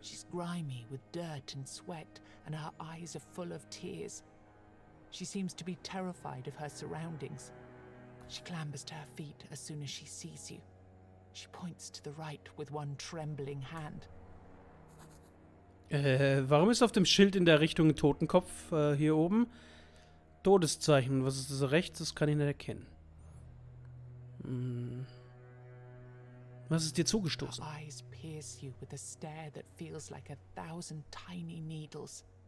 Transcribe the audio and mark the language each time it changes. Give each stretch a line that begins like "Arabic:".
English: She's grimy with dirt and sweat, and her eyes are full of tears. She seems to be terrified of her surroundings. She clambers to her feet as soon as she sees you. She points to the right with one trembling hand.
German: Warum ist auf dem Schild in der Richtung Totenkopf hier oben? Todeszeichen. Was ist das rechts? Das kann ich nicht erkennen. Was ist dir zugestoßen?
English: Her eyes pierce you with a stare that feels like a thousand tiny needles.